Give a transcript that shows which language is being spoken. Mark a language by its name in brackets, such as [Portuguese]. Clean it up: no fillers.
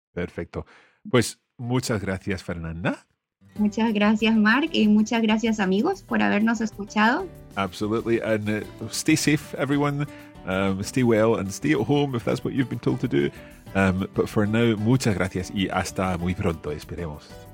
[Spanish] Perfecto. Pues muchas gracias, Fernanda. Muchas gracias, Mark, y muchas gracias, amigos, por habernos escuchado. [English] Absolutely, and stay safe, everyone. Stay well and stay at home if that's what you've been told to do. But for now, [Spanish] muchas gracias y hasta muy pronto, esperemos.